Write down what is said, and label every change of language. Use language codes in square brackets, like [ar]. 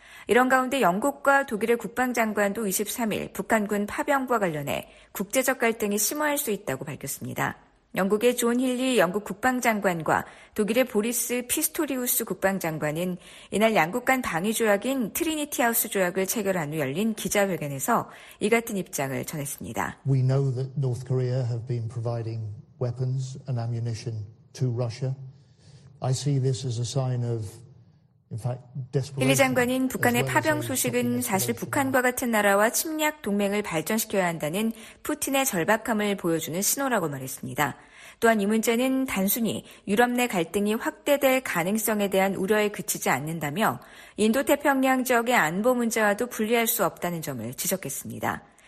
[ko] 이런 가운데 영국과 독일의 국방장관도 23일 북한군 파병과 관련해 국제적 갈등이 심화할 수 있다고 밝혔습니다. 영국의 존 힐리 영국 국방장관과 독일의 보리스 피스토리우스 국방장관은 이날 양국 간 방위조약인 트리니티하우스 조약을 체결한 후 열린 기자회견에서 이 같은 입장을 전했습니다. [en] We know that North Korea have been providing weapons and ammunition to Russia. I see this as a sign of [ko] 힐리 장관인 북한의 파병 소식은 사실 북한과 같은 나라와 침략 동맹을 발전시켜야 한다는 푸틴의 절박함을 보여주는 신호라고 말했습니다. 또한 이 문제는 단순히 유럽 내 갈등이 확대될 가능성에 대한 우려에 그치지 않는다며 인도태평양 지역의 안보 문제와도 분리할 수 없다는 점을 지적했습니다.